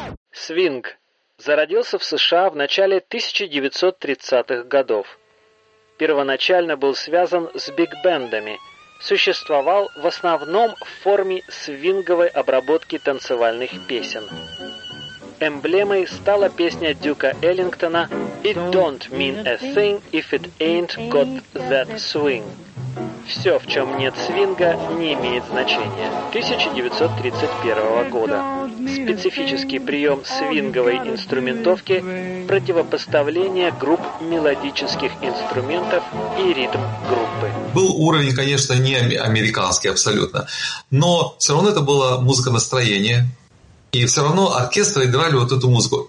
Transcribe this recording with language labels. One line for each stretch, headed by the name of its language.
Russian: Свинг зародился в США в начале 1930-х годов. Первоначально был связан с биг-бендами – существовал в основном в форме свинговой обработки танцевальных песен. Эмблемой стала песня Дюка Эллингтона
English: «It don't mean a thing if it ain't got that swing».
Russian: «Все, в чем нет свинга, не имеет значения» 1931 года. Специфический прием свинговой инструментовки – противопоставление групп мелодических инструментов и ритм группы. Был уровень, конечно, не американский абсолютно, но все равно это была музыка настроения, и все равно оркестры играли вот эту музыку.